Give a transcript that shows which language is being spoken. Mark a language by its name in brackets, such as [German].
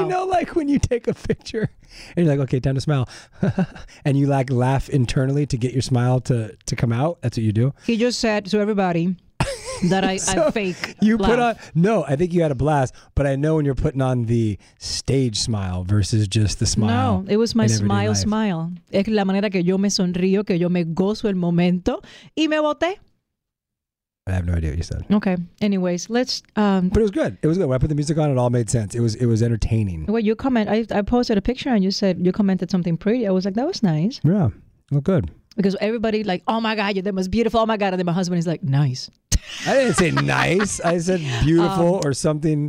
[English] You know, like when you take a picture and you're like, okay, time to smile. And you like laugh internally to get your smile to come out. That's what you do. He just said to everybody that I fake. You laugh. Put on, no, I think you had a blast, but I know when you're putting on the stage smile versus just the smile. No, it was my smile life. Smile. [Spanish] Es la manera que yo me sonrío, que yo me gozo el momento y me boté. [English] I have no idea what you said. Okay. Anyways, let's... But it was good. It was good. When I put the music on, it all made sense. It was entertaining. Well, you comment... I posted a picture and you said you commented something pretty. I was like, that was nice. Yeah. Well, good. Because everybody like, oh my God, you're the most beautiful. Oh my God. And then my husband is like, nice. I didn't say nice. I said beautiful or something.